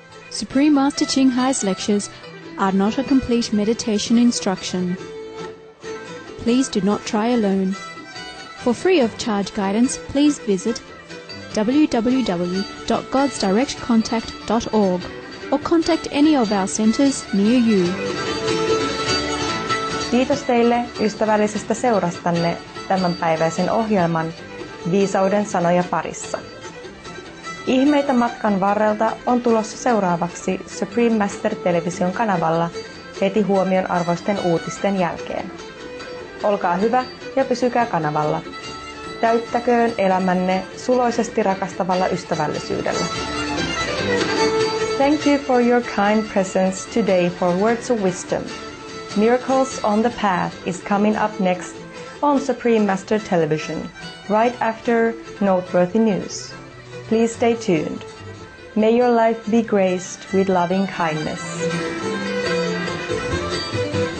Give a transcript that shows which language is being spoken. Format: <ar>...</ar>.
<en>Supreme Master Qinghai's lectures are not a complete meditation instruction. Please do not try alone. For free of charge guidance, please visit www.godsdirectcontact.org or contact any of our centers near you.</en> <fi>Kiitos teille ystävällisestä seurastanne tämänpäiväisen ohjelman Viisauden sanoja parissa. Ihmeitä matkan varrelta on tulossa seuraavaksi Supreme Master television kanavalla heti huomion arvoisten uutisten jälkeen. Olkaa hyvä ja pysykää kanavalla. Täyttäköön elämänne suloisesti rakastavalla ystävällisyydellä.</fi> <en>Thank you for your kind presence today for Words of Wisdom. Miracles on the Path is coming up next on Supreme Master television, right after Noteworthy News. Please stay tuned. May your life be graced with loving kindness.</en>